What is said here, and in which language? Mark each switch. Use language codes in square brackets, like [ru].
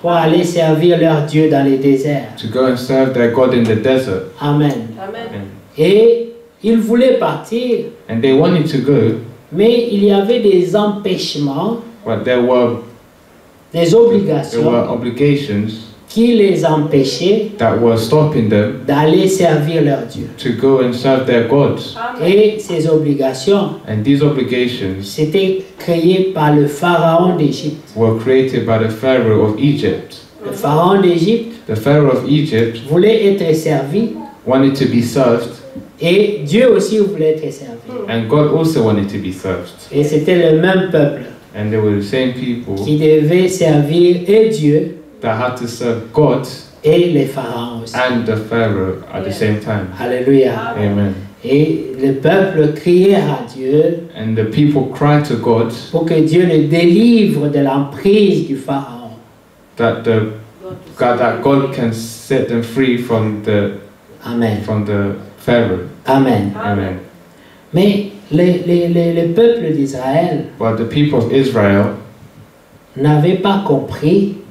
[fr] Pour aller servir leur Dieu dans les déserts. [en] To go and serve their God in the desert. Amen. Amen. [fr] Et ils voulaient partir. [en] And they wanted to go. [fr] Mais il y avait des empêchements. [en] But there were [fr] des obligations. [en] There were obligations [fr] qui les empêchaient [en] that were stopping them [fr] d'aller servir leur Dieu. [en] To go and serve their gods. [fr] Et ces obligations, [en] and these obligations [fr] c'était créé par le pharaon d'Égypte. [en] Were created by the Pharaoh of Egypt. [fr] Le pharaon d'Égypte, [en] the Pharaoh of Egypt [fr] voulait être servi. [en] Wanted to be served. [fr] Et Dieu aussi voulait être servi. [en] And God also wanted to be served. [fr] Et c'était le même peuple. [en] And they were the same people [fr] qui devait servir et Dieu. [en] That had to serve God. [fr] Et les pharaons aussi. [en] And the Pharaoh at yeah. the same time. Hallelujah. Amen. [fr] Et le peuple criait à Dieu. [en] And the people cried to God. [fr] Pour que Dieu les délivre de l'emprise du pharaon. [en] That the God, that God can set them free from the. Amen. From the Pharaoh. Amen. Amen. [fr] Mais le peuple d'Israël. [en] But the people of Israel [fr] n'avait pas compris.